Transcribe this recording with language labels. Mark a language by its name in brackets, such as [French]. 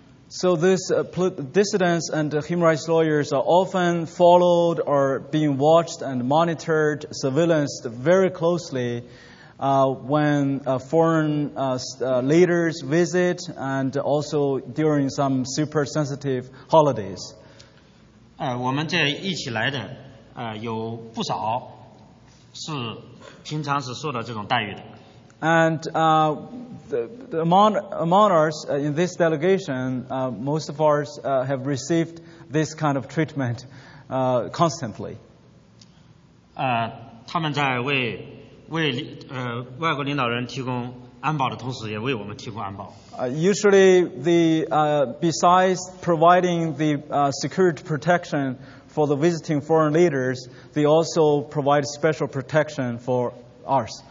[English] So these dissidents and human rights lawyers are often followed or being watched and monitored, surveillanced very closely when foreign leaders visit and also during some super sensitive holidays. [Chinese] 我们这一起来的有不少是平常是受到这种待遇的。 [English] And among us in this delegation, most of us have received this kind of treatment constantly. [Chinese] 他们在为外国领导人提供安保的同时，也为我们提供安保。 [English] Usually, the besides providing the security protection for the visiting foreign leaders, they also provide special protection for ours.